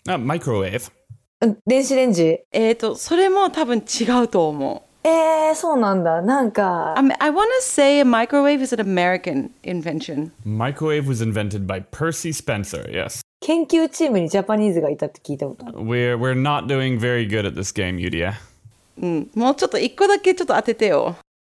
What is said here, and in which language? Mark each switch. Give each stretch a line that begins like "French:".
Japanese: あ、マイクロウェーブ。電子レンジ？それも多分違うと思う。そうなんだ。なんか。
English: I want to say a microwave is an American invention. Microwave was invented by Percy Spencer, yes.
Japanese: 研究チームにジャパニーズがいたって聞いたことある。
English: We're not doing very good at this game, Yudia.
Japanese: もうちょっと一個だけちょっと当ててよ。